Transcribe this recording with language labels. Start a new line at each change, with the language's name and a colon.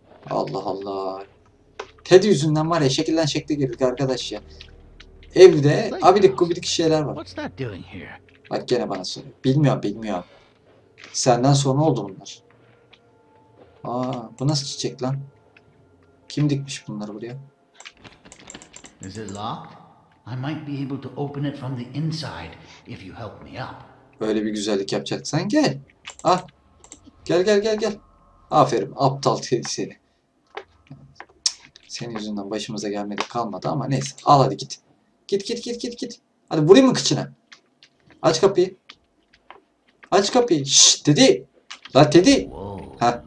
Turkish: Allah Allah. Teddy yüzünden var ya şekilden şekle girdik arkadaş ya. Evde abidik gubidik şeyler var. Bak gene bana soruyor. Bilmiyorum bilmiyorum. Senden sonra oldu bunlar. Aa bu nasıl çiçek lan? Kim dikmiş bunları buraya?
English: Is it locked? I might be able to open it from the inside if you help me up.
Turkish: Böyle bir güzellik yapacaksan gel. Ah. Gel gel gel gel. Aferin aptal seni. Senin yüzünden başımıza gelmedi kalmadı ama neyse al hadi git. Git git git git git. Hadi vurayım mı kıçına? Aç kapıyı. Aç kapıyı. Şşş dedi. La dedi. Ha.